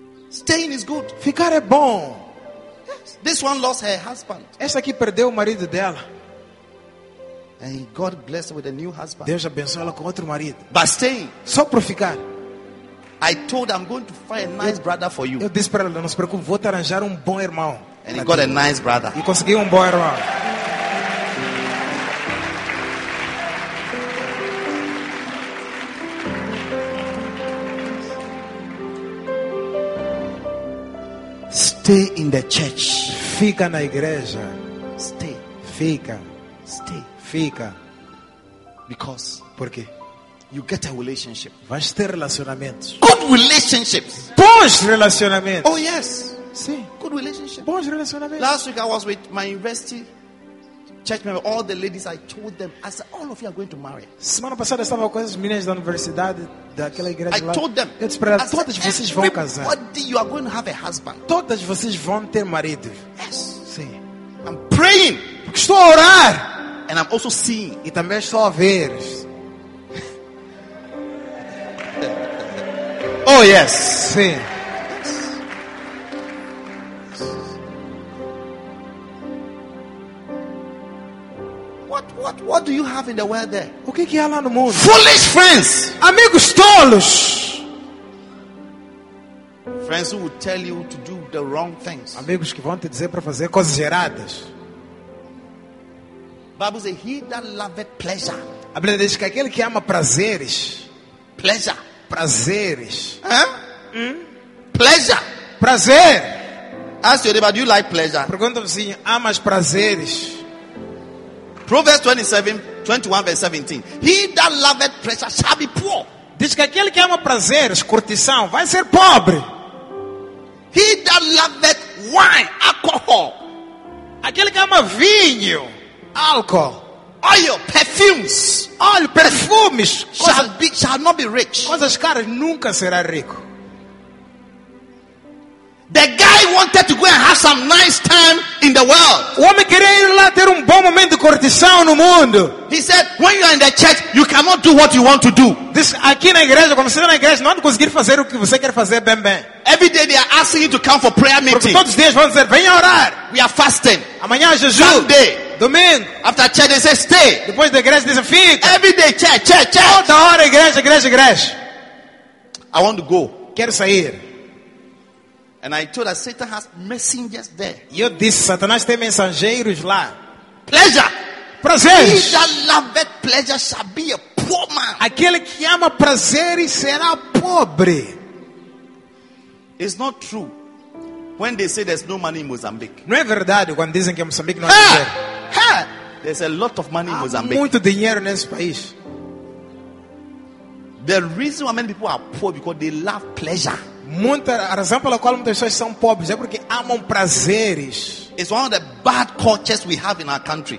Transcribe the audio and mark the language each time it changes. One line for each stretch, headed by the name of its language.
English: Staying is good.
Portuguese: Ficar é bom.
English: Yes. This one lost her husband.
Portuguese: Essa aqui perdeu o marido dela.
English: And God blessed her with a new husband.
Portuguese: Deus abençoou ela com outro marido.
English: But staying.
Portuguese: Só por ficar.
English: I told I'm going to find a nice brother for you.
Portuguese: Eu disse para ela, não se preocupe, vou te arranjar um bom irmão.
English: And he got a nice brother.
Portuguese: E conseguiu um bom irmão.
English: Stay in the church.
Portuguese: Fica na igreja.
English: Stay.
Portuguese: Fica.
English: Stay.
Portuguese: Fica.
English: Because.
Portuguese: Porque.
English: You get a relationship.
Portuguese: Vais ter relacionamentos.
English: Good relationships.
Portuguese: Bons relacionamentos.
English: Oh yes.
Portuguese: Sim.
English: Good relationship.
Portuguese: Bons relacionamentos.
English: Last week I was with my university church member. All the ladies, I told them, I said, all of you are going to marry.
Portuguese: Semana passada estava com as meninas da universidade daquela igreja.
English: I told them.
Portuguese: Eu disse para elas, todas vocês vão casar.
English: You are going to have a husband.
Portuguese: Todas vocês vão ter marido.
English: Yes.
Portuguese: Sim.
English: I'm praying.
Portuguese: Porque estou a orar.
English: And I'm also seeing.
Portuguese: E também estou a ver.
English: Oh yes.
Portuguese: Sim.
English: What do you have in the world there?
Portuguese: O que há lá no mundo?
English: Foolish friends.
Portuguese: Amigos tolos.
English: Friends who will tell you to do the wrong things.
Portuguese: Amigos que vão te dizer para fazer coisas erradas.
English: Bible says he that loveth pleasure.
Portuguese: A Bíblia diz que aquele que ama prazeres.
English: Pleasure.
Portuguese: Prazeres.
English: Huh? Mm? Pleasure.
Portuguese: Prazer.
English: Ask your neighbor, do you like pleasure?
Portuguese: Pergunta ao vizinho, amas prazeres?
English: Proverbs 27:21 verse 17. He that loveth pleasure shall be poor.
Portuguese: Diz que aquele que ama prazeres, curtição, vai ser pobre.
English: He that loveth wine, alcohol.
Portuguese: Aquele que ama vinho, álcool.
English: Oil, perfumes.
Portuguese: Óleo, perfumes.
English: Shall not be rich.
Portuguese: Coisas caras, nunca será rico.
English: The guy wanted to go and have some nice time in the world.
Portuguese: O homem queria ir lá ter um bom momento de curtição no mundo.
English: He said, when you are in the church, you cannot do what you want to do.
Portuguese: This, aqui na igreja, quando você está na igreja, não conseguir fazer o que você quer fazer bem bem.
English: Every day they are asking you to come for prayer meeting.
Portuguese: Porque todos os dias vão dizer, venha orar.
English: We are fasting.
Portuguese: Amanhã é jejum.
English: Sunday.
Portuguese: Domingo.
English: After church they say stay.
Portuguese: Depois da igreja dizem fica.
English: Every day church, church, church.
Portuguese: Toda hora igreja, igreja, igreja.
English: I want to go.
Portuguese: Quero sair.
English: And I told her, Satan has messengers there.
Portuguese: Eu disse, Satanás tem mensageiros lá.
English: Pleasure.
Portuguese: Prazeres.
English: He that loveth pleasure shall be a poor man.
Portuguese: Aquele que ama prazeres será pobre.
English: It's not true. When they say there's no money in Mozambique.
Portuguese: Não é verdade quando dizem que Moçambique não há dinheiro.
English: There's a lot of money in Mozambique.
Portuguese: Muito dinheiro nesse país.
English: The reason why many people are poor because they love pleasure.
Portuguese: Muita, a razão pela qual muitas pessoas são pobres é porque amam prazeres.
English: It's one of the bad cultures we have in our country.